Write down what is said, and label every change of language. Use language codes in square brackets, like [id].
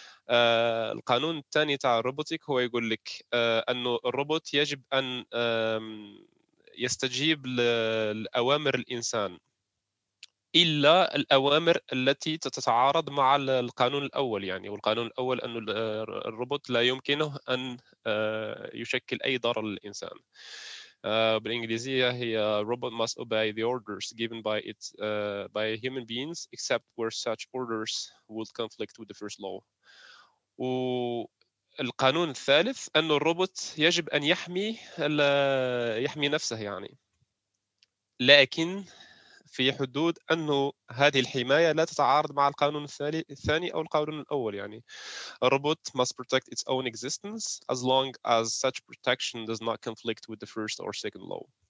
[ar] القانون الثاني تاع الروبوتيك هو يقول لك انه الروبوت يجب ان يستجيب لاوامر الانسان الا الاوامر التي تتعارض مع القانون الاول. يعني والقانون الاول انه الروبوت لا يمكنه ان يشكل اي ضرر للانسان. بالانجليزيه هي [en] robot must obey the orders given by it by human beings except where such orders would conflict with the first law. [ar] والقانون الثالث انه الروبوت يجب ان يحمي نفسه يعني, لكن في حدود أنه هذه الحماية لا تتعارض مع القانون الثاني أو القانون الأول. [en] يعني a robot must protect its own existence as long as such protection does not conflict with the first or second law.